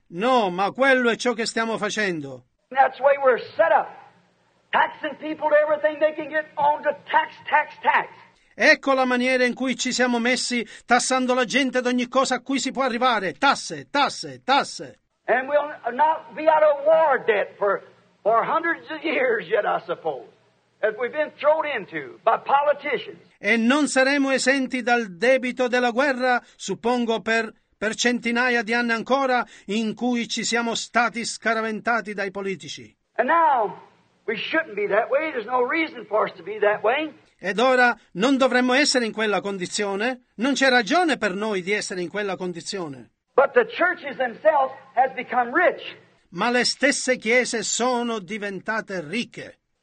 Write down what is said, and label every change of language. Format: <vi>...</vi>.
<it>No, ma quello è ciò che stiamo facendo.</it> <en>That's the way we're set up. Taxing people to everything they can get on to tax, tax, tax.</en> <it>Ecco la maniera in cui ci siamo messi, tassando la gente ad ogni cosa a cui si può arrivare. Tasse, tasse, tasse.</it> <en>And we'll not be out of war debt for hundreds of years yet, I suppose. As we've been thrown into by politicians.</en> <it>E non saremo esenti dal debito della guerra, suppongo per centinaia di anni ancora, in cui ci siamo stati scaraventati dai politici.</it> <en>And now we shouldn't be that way. There's no reason for us to be that way.</en> <it>Ed ora non dovremmo essere in quella condizione. Non c'è ragione per noi di essere in quella condizione.</it> <en>But the churches themselves have become rich.</en> <it>Ma le stesse chiese sono diventate ricche.</it>